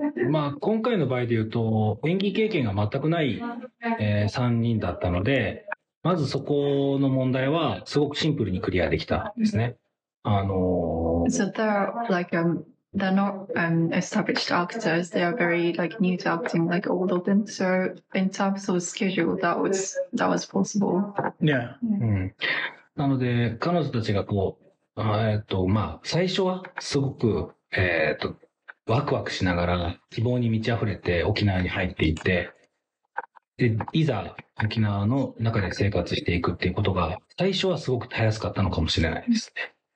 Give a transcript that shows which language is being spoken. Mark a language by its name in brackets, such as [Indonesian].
[Japanese] まあ、今回の場合で言うと、演技経験が全くない、3人だったので、まずそこの問題はすごくシンプルにクリアできたんですね。 [English] So they're like, they're not established actors, they are very like new to acting, like all of them. So in terms of schedule, that was possible. Yeah. [Japanese] なので彼女たちがこう、まあ最初はすごく、ワクワクしながら希望に満ち溢れて沖縄に入っていって、で、いざ沖縄の中で生活していくっていうことが最初はすごくたやすかったのかもしれないですね。